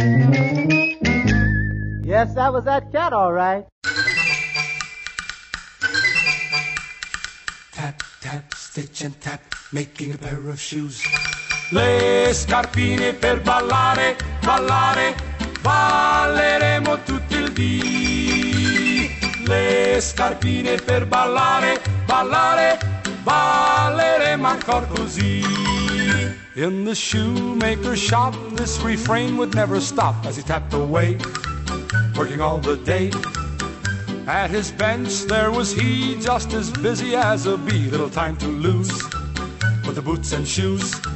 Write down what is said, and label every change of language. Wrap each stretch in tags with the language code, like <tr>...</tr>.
<en>Yes, that was that cat, all right. Tap, tap, stitch and tap, making a pair of shoes.</en> <it>Le scarpine per ballare, ballare, balleremo tutto il dì. Le scarpine per ballare, ballare, balleremo ancora così.</it> <en>In the shoemaker's shop, this refrain would never stop as he tapped away, working all the day. At his bench, there was he, just as busy as a bee, little time to lose with the boots and shoes.</en>